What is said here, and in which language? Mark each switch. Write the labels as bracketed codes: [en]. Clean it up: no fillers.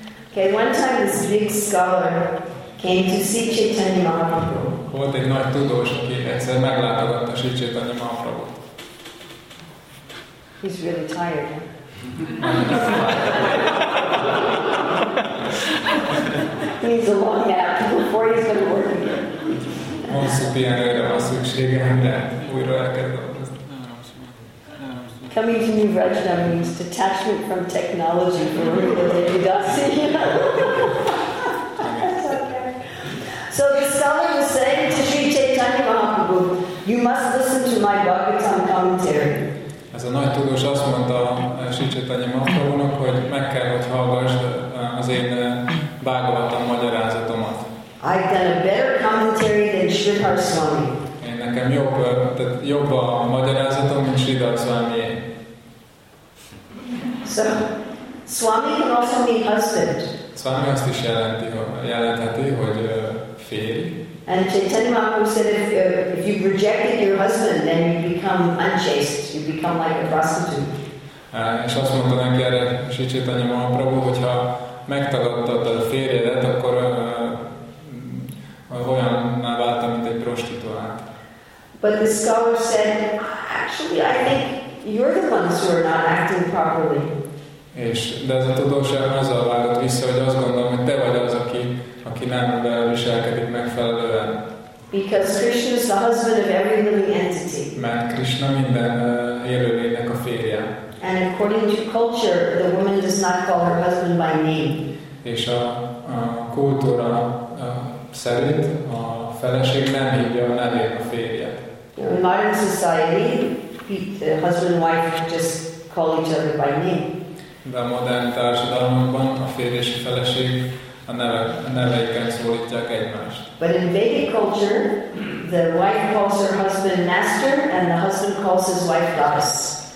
[en] Okay, one time this big scholar came to see Chaitanya Mahaprabhu. [hu] Volt egy nagy tudós, aki egyszer meglátogatta Sri Chaitanya Mahaprabhut. [en] He's really tired. He needs a long nap before he's going to work again. [hu] Hosszú pihenőre van szüksége, de újra el kell dolgozni. [en] Coming to New Rajna means detachment from technology for Rupa Devadasi. So the scholar was saying to Sri Chaitanya Mahaprabhu, you must listen to my Bhagavatam commentary. [hu] Ez a nagy tudós azt mondta Sri Chaitanya Mahaprabhunak, hogy meg kell, hogy hallgass az én Bhagavatam magyarázatomat. [en] I've done a better commentary than Sridhar Swami. [hu] Nekem jobb a magyarázatom, mint Sridhar Swami. [en] So, Swami can also mean husband. [hu] Swami azt is jelentheti, hogy férj. [en] And Chaitanya Mahaprabhu said, if you've rejected your husband, then you become unchaste, you become like a prostitute. [hu] És azt mondta neki erre Sri Chaitanya Mahaprabhu, hogyha megtagadtad a férjedet, akkor olyanná váltam, mint egy prostituált. [en] But the scholar said, actually, I think you're the ones who are not acting properly. [hu] És de ez a tudósság azzal vágott vissza, hogy azt gondolom, hogy te vagy az, aki nem viselkedik megfelelően. [en] Because Krishna is the husband of every living entity. [hu] Mert Krishna minden élőlénynek a férje. [en] And according to culture, the woman does not call her husband by name. [hu] És a kultúra szerint a feleség nem hívja a nevét a férje. [en] In modern society, husband and wife just call each other by name. [hu] De a modern társadalmunkban a férj és a feleség a neveikkel szólítják egymást. [en] But in Vedic culture, the wife calls her husband master, and the husband calls his wife goddess.